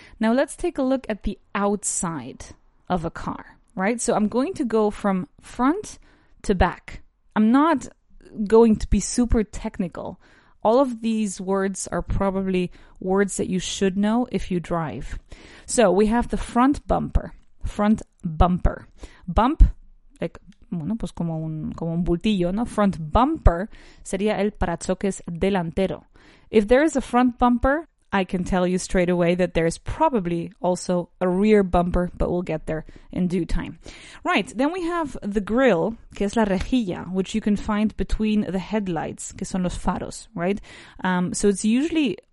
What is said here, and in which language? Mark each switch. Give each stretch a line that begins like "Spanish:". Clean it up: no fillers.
English: Now let's take a look at the outside of a car, right? So I'm going to go from front to back. I'm not going to be super technical. All of these words are probably words that you should know if you drive. So we have the front bumper. Front bumper.
Spanish: Bump, like, bueno, pues como un bultillo, ¿no? Front bumper sería el parachoques delantero.
English: If there is a front bumper, I can tell you straight away that there is probably also a rear bumper, but we'll get there in due time. Right, then we have the grill,
Spanish: que es la rejilla,
English: which you can find between the headlights,
Spanish: que son los faros,
English: right? So it's usually